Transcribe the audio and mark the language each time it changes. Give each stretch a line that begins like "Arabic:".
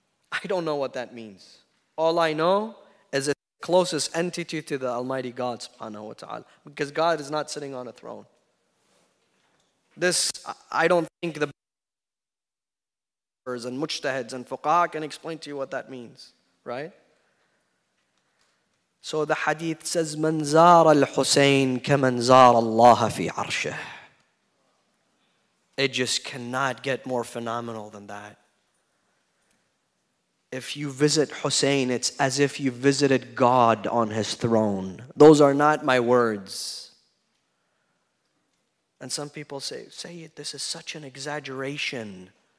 English: I don't know what that means. All I know is it's the closest entity to the Almighty God, subhanahu wa ta'ala, because God is not sitting on a throne. This, I don't think the and mujtahids and fuqaha can explain to you what that means, right? So the hadith says,
Arabic: من زار الحسين كمن زار الله في عرشه.
English: It just cannot get more phenomenal than that. If you visit Hussein, it's as if you visited God on his throne. Those are not my words. And some people say, Sayyid, this is such an exaggeration.